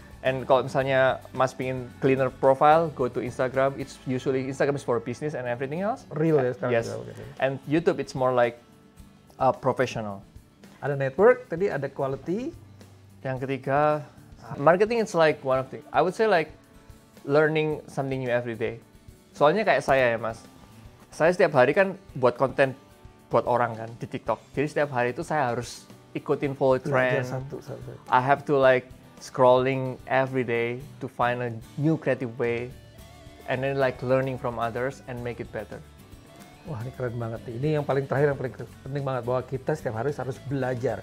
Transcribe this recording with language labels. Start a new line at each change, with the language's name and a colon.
English: And
Indonesian: kalau misalnya Mas pingin
English: cleaner profile, go to Instagram. It's usually Instagram is for business and everything else.
Indonesian: Real ya,
English: yes. And YouTube it's more like professional.
Indonesian: Ada network, tadi ada quality. Yang ketiga,
English: marketing it's like one of the. I would say like learning something new every day.
Indonesian: Soalnya kayak saya ya mas, saya setiap hari kan buat konten buat orang kan di TikTok. Jadi setiap hari itu saya harus ikutin follow trend.
English: I have to like scrolling every day to find a new creative way, and then like learning from others and make it better.
Indonesian: Wah ini keren banget nih. Ini yang paling terakhir yang paling penting banget bahwa kita setiap hari harus belajar.